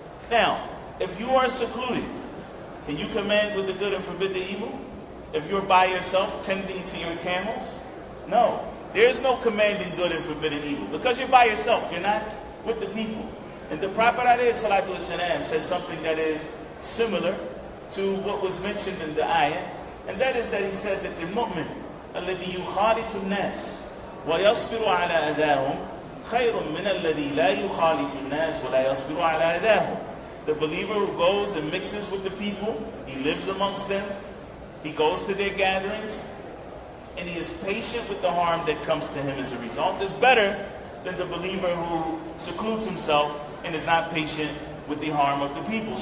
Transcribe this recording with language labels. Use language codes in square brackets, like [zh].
[en] Now, if you are secluded, can you command with the good and forbid the evil? If you're by yourself tending to your camels? No. There's no commanding good and forbidding evil. Because you're by yourself, you're not with the people. And the Prophet ﷺ said something that is similar to what was mentioned in the ayah. And that is that he said that the mu'min, [ar] الَّذِي يُخَالِطُ النَّاسِ وَيَصْبِرُ عَلَىٰ أَذَاهُمْ خَيْرٌ مِّنَ الَّذِي لَا يُخَالِطُ النَّاسِ وَلَا يَصْبِرُ عَلَىٰ أَذَاهُمْ. [en] The believer who goes and mixes with the people, he lives amongst them, he goes to their gatherings, and he is patient with the harm that comes to him as a result, is better than the believer who secludes himself and is not patient with the harm of the people.